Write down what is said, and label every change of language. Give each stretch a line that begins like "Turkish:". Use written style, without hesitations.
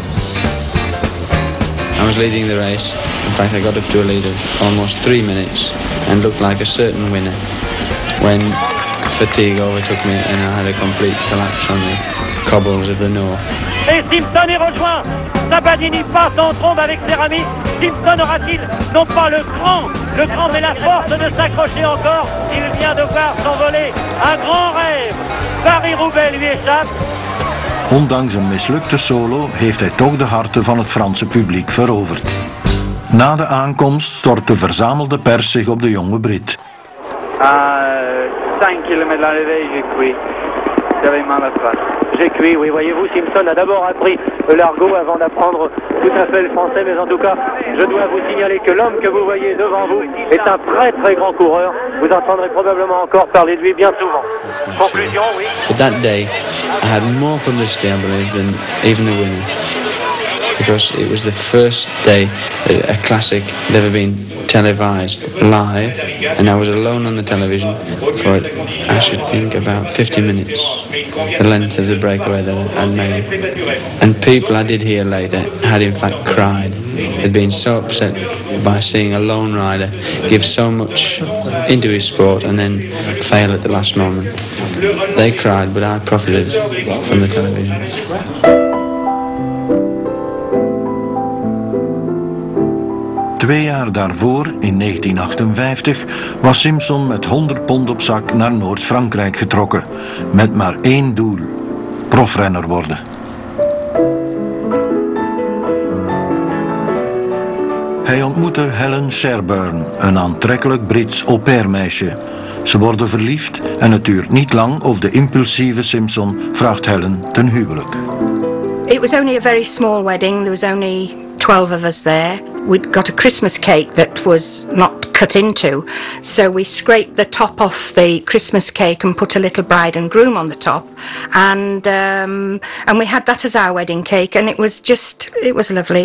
English: I was leading the race. In fact, I got up to a lead of almost 3 minutes and looked like a certain winner when fatigue overtook me and I had a complete collapse on the cobbles of the north.
French: Et Simpson est rejoint. Sabadini passe en trombe avec Cerami. Simpson aura-t-il non pas le cran mais la force de s'accrocher encore. Il vient de voir s'envoler un grand rêve. Paris-Roubaix lui échappe.
Dutch: Ondanks een mislukte solo heeft hij toch de harten van het Franse publiek veroverd. Na de aankomst stort de verzamelde pers zich op de jonge Brit.
French: 5 kilometer l'arrivée, j'ai cru. J'avais mal à ça. J'ai cru, oui, voyez-vous, Simpson a d'abord appris l'argot avant d'apprendre tout à fait le français, mais en tout cas, je dois vous signaler que l'homme que vous voyez devant vous est un très très grand coureur. Vous entendrez probablement encore parler de lui bien souvent. Conclusion, oui.
English: But that day, I had more fun this day, I believe, than even the winner. Because it was the first day a classic had ever been televised live, and I was alone on the television for, I should think, about 50 minutes, the length of the breakaway that I'd made. And people I did hear later had in fact cried. They'd been so upset by seeing a lone rider give so much into his sport and then fail at the last moment. They cried, but I profited from the television.
Dutch: Twee jaar daarvoor, in 1958, was Simpson met 100 pond op zak naar Noord-Frankrijk getrokken. Met maar één doel: profrenner worden. Hij ontmoette Helen Sherburn, een aantrekkelijk Brits au pair meisje. Ze worden verliefd en het duurt niet lang of de impulsieve Simpson vraagt Helen ten huwelijk.
English: It was only a very small wedding, there was only 12 of us there. We'd got a Christmas cake that was not cut into, so we scraped the top off the Christmas cake and put a little bride and groom on the top, and we had that as our wedding cake, and it was lovely.